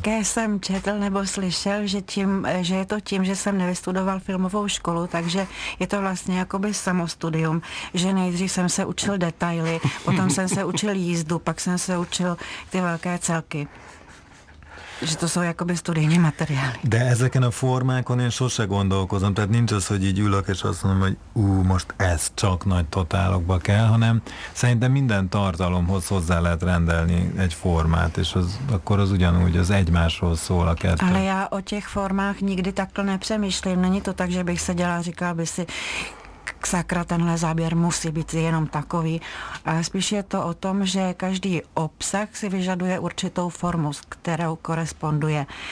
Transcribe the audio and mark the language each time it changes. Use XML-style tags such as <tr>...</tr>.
<cs>Také jsem četl nebo slyšel, že je to tím, že jsem nevystudoval filmovou školu, takže je to vlastně jakoby samostudium, že nejdřív jsem se učil detaily, potom jsem se učil jízdu, pak jsem se učil ty velké celky. Že to jsou jakoby studijní materiály.</cs> <hu>De ezeken a formákon én sose gondolkozom, tehát nincs az, hogy így ülök, és azt mondom, hogy most ez csak nagy totálokba kell, hanem szerintem minden tartalomhoz hozzá lehet rendelni egy formát, és az, akkor az ugyanúgy, az egymásról szól a kettő.</hu> <cs>Ale já o těch formách nikdy takhle nepřemýšlím, není to tak, že bych se dělal, říkal by si, sakra, tenhle záběr musí být jenom takový. Ale spíš je to o tom, že každý obsah si vyžaduje určitou formu, s kterou koresponduje.</cs>